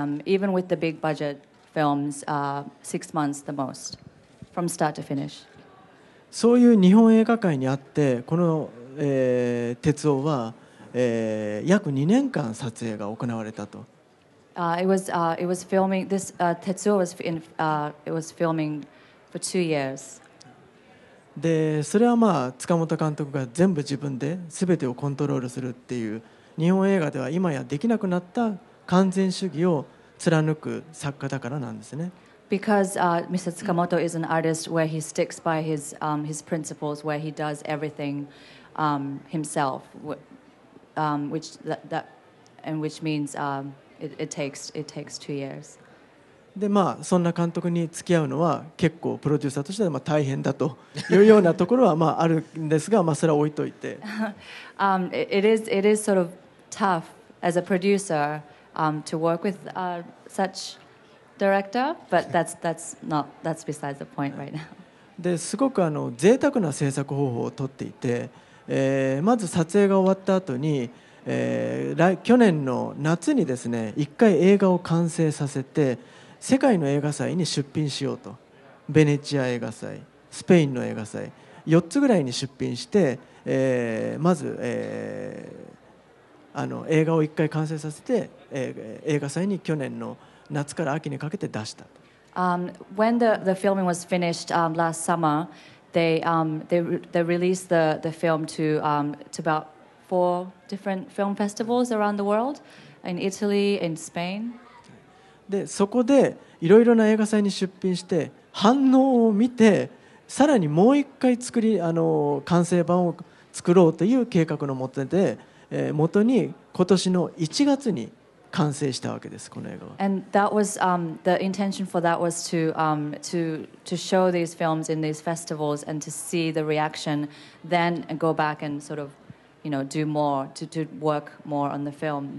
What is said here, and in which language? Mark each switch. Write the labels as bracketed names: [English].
[English] Even with the big budget films, 6 months the most, from start to finish. [Japanese] そういう日本映画界にあって、この鉄道は約2年間撮影が行われたと。 [English] Tetsuo was filming for 2 years. [Japanese] で、それはまあ、塚本監督が全部自分で全てをコントロールするっていう、日本映画では今やできなくなった完全主義を貫く作家だからなんですね。 [English] Because Mr. Tsukamoto is an artist where he sticks by his his principles, where he does everything himself, which means it takes 2 years. [Japanese] で、まあ、そんな監督に付き合うのは結構プロデューサーとしてはまあ大変だというようなところはまああるんですが、まあ、それは置いといて。 [English] it is sort of tough as a producer to work with such director, but that's besides the point right now. [Japanese] で、すごくあの贅沢な制作方法を取っていて、まず撮影が終わった後に、去年の夏にですね、一回映画を完成させて世界の映画祭に出品しようと、ベネチア映画祭、スペインの映画祭、4つぐらいに出品して、まず、映画を1回完成させて、映画祭に去年の夏から秋にかけて出したと。 [English] When the filming was finished last summer, they released the film to about 4 different film festivals around the world, in Italy, in Spain. [Japanese] でそこでいろいろな映画祭に出品して反応を見てさらにもう一回作り完成版を作ろうという計画のもとで、元に今年の1月に完成したわけですこの映画は。 [English] And that was the intention for that was to show these films in these festivals and to see the reaction, then go back and sort of you know do more to work more on the film.